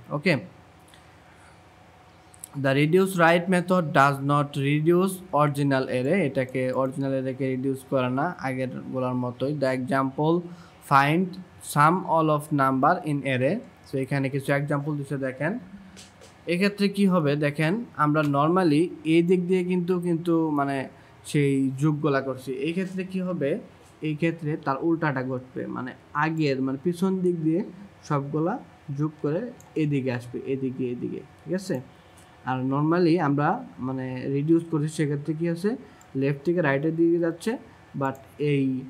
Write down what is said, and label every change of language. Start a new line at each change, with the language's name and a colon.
English: okay, the reduce right method does not reduce original array,
Bangla: এটাকে original অ্যারেকে reduce করে না আগের গুলোর মতোই।
English: The example find sum all of number in array.
Bangla: So এখানে কিছু एग्जांपल দিয়ে দেখেন এই ক্ষেত্রে কি হবে দেখেন আমরা নরমালি এই দিক দিয়ে কিন্তু কিন্তু মানে সেই যোগগুলা করছি এই ক্ষেত্রে কি হবে এই ক্ষেত্রে তার উল্টাটা ঘটবে মানে আগের মানে পিছন দিক দিয়ে সবগুলা যোগ করে এদিকে আসবে এদিকে এদিকে ঠিক আছে আর নরমালি আমরা মানে রিডিউস করি সেই ক্ষেত্রে কি আছে লেফট থেকে রাইটে দিয়ে যাচ্ছে বাট এই